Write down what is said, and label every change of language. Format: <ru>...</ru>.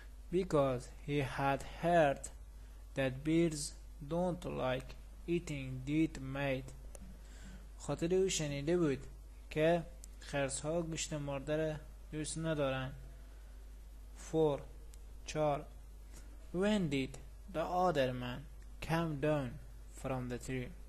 <en>Because he had heard that bears don't like eating dead meat.</en> <fa>خاطر او شنیده بود که خرس ها گوشت مرده را دوست ندارن.</fa> <en>4. When did the other man come down from the tree?</en>